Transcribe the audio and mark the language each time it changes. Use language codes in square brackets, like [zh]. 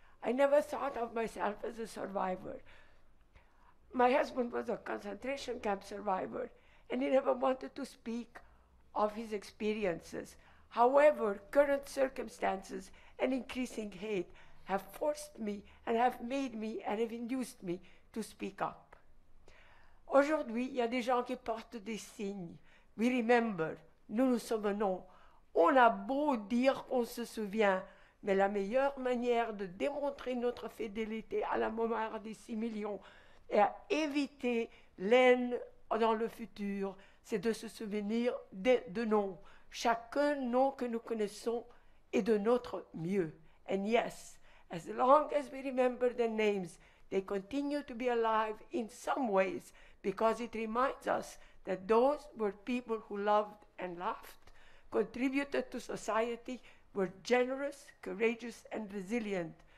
[en] I never thought of myself as a survivor. My husband was a concentration camp survivor, and he never wanted to speak of his experiences. However, current circumstances and increasing hate have forced me and have made me and have induced me to speak up. [fr] Aujourd'hui, il y a des gens qui portent des signes. [en] We remember, [fr] nous nous souvenons. On a beau dire qu'on se souvient, mais la meilleure manière de démontrer notre fidélité à la mémoire des 6 millions et à éviter l'haine dans le futur, c'est de se souvenir de noms. Chacun nom que nous connaissons est de notre mieux. [en] And yes, as long as we remember the names, they continue to be alive in some ways because it reminds us that those were people who loved and laughed, contributed to society, were generous, courageous, and resilient.